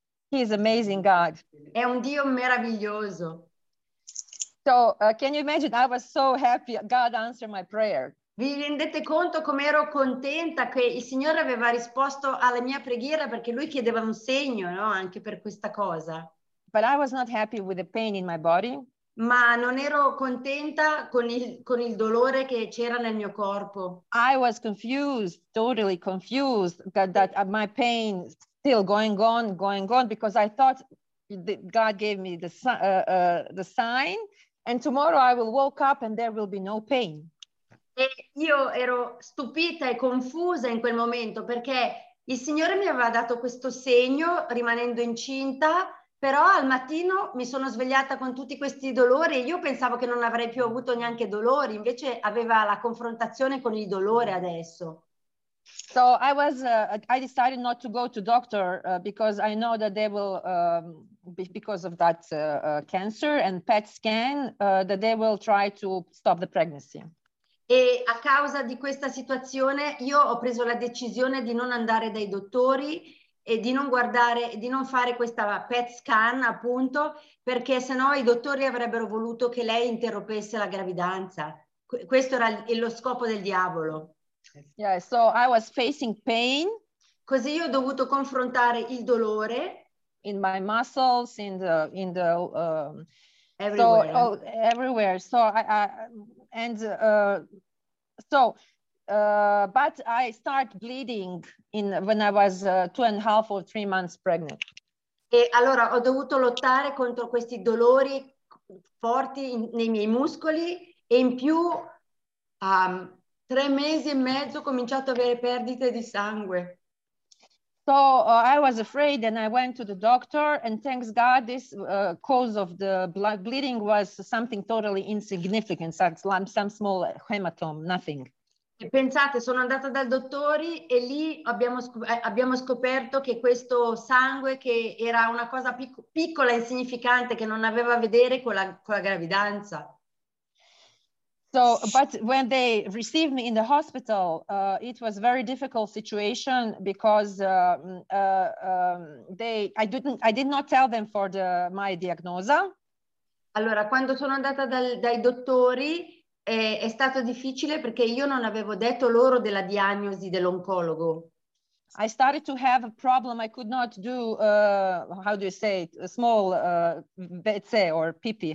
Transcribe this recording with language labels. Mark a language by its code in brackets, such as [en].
[en] He is amazing God. [it] È un Dio meraviglioso. [en] So, can you imagine? I was so happy God answered my prayer. [it] Vi rendete conto come ero contenta che il Signore aveva risposto alla mia preghiera, perché lui chiedeva un segno, no, anche per questa cosa. [en] But I was not happy with the pain in my body. [it] Ma non ero contenta con il dolore che c'era nel mio corpo. [en] I was confused, totally confused that my pain still going on, because I thought that God gave me the sign, and tomorrow I will wake up and there will be no pain. [it] E io ero stupita e confusa in quel momento, perché il Signore mi aveva dato questo segno rimanendo incinta, però al mattino mi sono svegliata con tutti questi dolori e io pensavo che non avrei più avuto neanche dolori, invece aveva la confrontazione con il dolore adesso. [en] So I was, I decided not to go to doctor because I know that they will, because of that cancer and PET scan, that they will try to stop the pregnancy. [it] E a causa di questa situazione io ho preso la decisione di non andare dai dottori e di non guardare, di non fare questa PET scan appunto, perché sennò i dottori avrebbero voluto che lei interrompesse la gravidanza. Questo era lo scopo del diavolo. [en] Yeah, so I was facing pain. [it] Così io ho dovuto confrontare il dolore [en] in my muscles, in the everywhere. So, oh, everywhere. So but I start bleeding when I was 2.5 or 3 months pregnant. [it] E allora ho dovuto lottare contro questi dolori forti nei miei muscoli e in più. 3 mesi e mezzo ho cominciato a avere perdite di sangue. [en] So I was afraid and I went to the doctor and thanks God this cause of the blood bleeding was something totally insignificant, some small hematoma, nothing. [it] E pensate, sono andata dal dottore e lì abbiamo scoperto che questo sangue che era una cosa piccola e insignificante che non aveva a vedere con la gravidanza. [en] So, but when they received me in the hospital, it was a very difficult situation because I did not tell them for my diagnosa. [it] Allora, quando sono andata dai dottori, è stato difficile perché io non avevo detto loro della diagnosi dell'oncologo. [en] I started to have a problem. I could not do, a small WC or pipì.